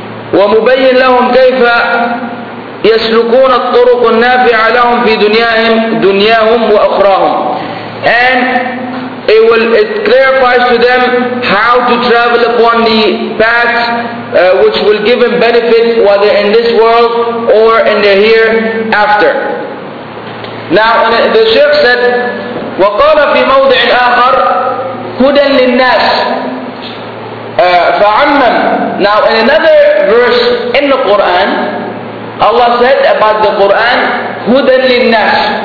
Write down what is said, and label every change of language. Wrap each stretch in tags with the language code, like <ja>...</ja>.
<ar>وَمُبَيِّنْ لَهُمْ كَيْفَ يَسْلُكُونَ الطُّرُقُ النَّافِعَ لَهُمْ فِي دُنْيَاهِمْ دُنْيَاهُمْ وَأُخْرَاهُمْ.</ar> <en>And it clarifies to them how to travel upon the paths which will give them benefit whether in this world or in the hereafter. Now the Shaykh said,</en> <ar>وَقَالَ فِي مَوْضِعٍ آخَرٍ هُدًى لِلنَّاسِ فَعَمَّمْ.</ar> <en>Now in another verse in the Qur'an, Allah said about the Qur'an,</en> <ar>هُدًى لِلنَّاسِ.</ar>